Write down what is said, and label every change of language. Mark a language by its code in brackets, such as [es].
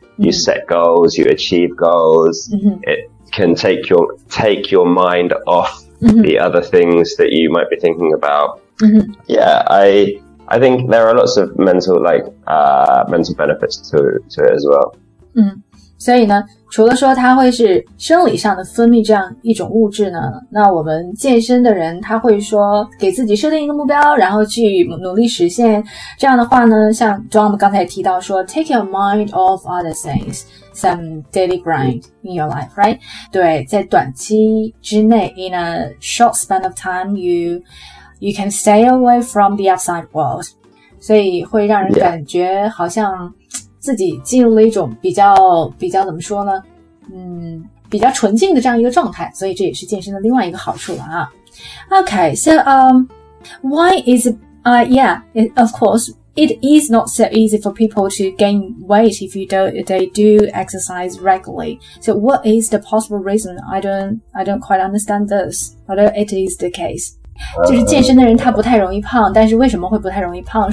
[en] You set goals. You achieve goals. It can take your mind off the other things that you might be thinking about. Yeah, I think there are lots of mental benefits to it as well. [zh] 所以呢，除了说它会是生理上的分泌这样一种物质呢，那我们健身的人他会说给自己设定一个目标，然后去努力实现。这样的话呢，像 John 刚才提到说 [en] ，take your mind off other things, some daily grind in your life, right? [zh] 对，在短期之内 [en] ，in a short span of time, you can stay away from the outside world. [zh] 所以会让人感觉好像自己进入了一种比较怎么说呢？比较纯净的这样一个状态。所以这也是健身的另外一个好处了啊。 [en] Okay, so, why is, of course, it is not so easy for people to gain weight if they do exercise regularly. So what is the possible reason? I don't quite understand this, although it is the case. [zh] 就是健身的人他不太容易胖，但是为什么会不太容易胖？